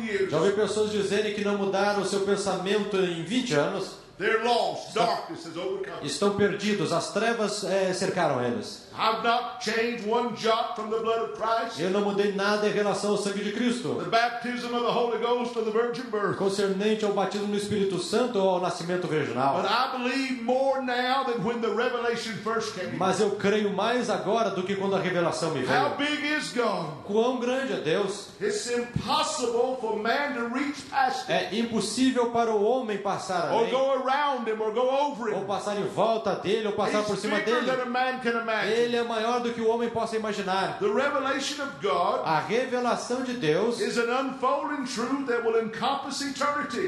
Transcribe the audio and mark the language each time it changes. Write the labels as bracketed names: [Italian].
[Portuguese] Já ouvi pessoas dizerem que não mudaram o seu pensamento em 20 anos. [English] They're lost. Darkness has overcome. [Portuguese] Estão perdidos, as trevas cercaram eles. [English] I've not changed one jot from the blood of Christ. [Portuguese] Eu não mudei nada em relação ao sangue de Cristo. [English] The baptism of the Holy Ghost or the virgin birth. [Portuguese] Concernente ao batismo no Espírito Santo ou ao nascimento virginal. [English] But I believe more now than when the revelation first came. [Portuguese] Mas eu creio mais agora do que quando a revelação me veio. [English] How big is God? [Portuguese] Quão grande é Deus? [English] It's impossible for man to reach past. [Portuguese] É impossível para o homem passar além. [English] Around him or go over him. [Portuguese] Ou passar em volta dele, ou passar [English] He's [Portuguese] por cima dele. [English] Than a man can imagine. [Portuguese] Ele é maior do que o homem possa imaginar. [English] The revelation of God, [Portuguese] a revelação de Deus, [English] is an unfolding truth that will encompass eternity.